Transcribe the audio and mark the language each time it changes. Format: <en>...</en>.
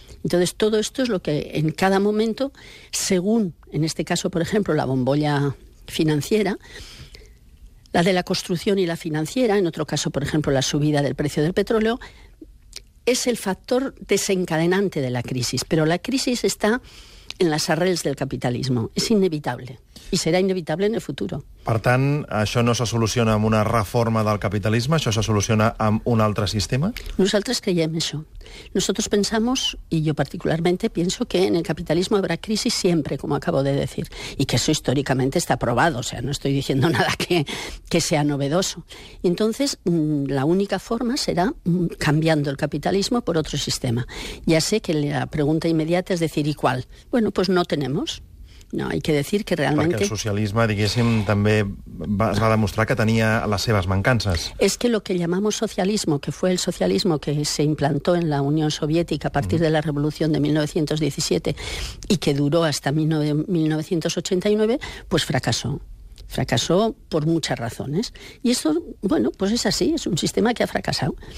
<es>Entonces, todo esto es lo que en cada momento, según, en este caso, por ejemplo, la bombolla financiera, la de la construcción y la financiera, en otro caso, por ejemplo, la subida del precio del petróleo, es el factor desencadenante de la crisis. Pero la crisis está en las arrels del capitalismo. Es inevitable.</es> <ca>I serà</ca> <es>inevitable en el futuro.</es> <ca>Per tant, això no se soluciona amb una reforma del capitalisme, això se soluciona amb un altre sistema? Nosaltres creiem això.</ca> <es>Nosotros pensamos, y yo particularmente pienso, que en el capitalismo habrá crisis siempre, como acabo de decir, y que eso históricamente está probado, o sea, no estoy diciendo nada que sea novedoso. Y entonces, la única forma será cambiando el capitalismo por otro sistema. Ya sé que la pregunta inmediata es decir, ¿y cuál? Bueno, pues no tenemos. No, hay que decir que realmente...</es> <ca>Perquè el socialisme, diguéssim, també es va demostrar que tenia les seves mancances.</ca> <es>Es que lo que llamamos socialismo, que fue el socialismo que se implantó en la Unión Soviética a partir de la Revolución de 1917 y que duró hasta 1989, pues fracasó. Fracasó por muchas razones. Y esto, bueno, pues es así, es un sistema que ha fracasado.</es>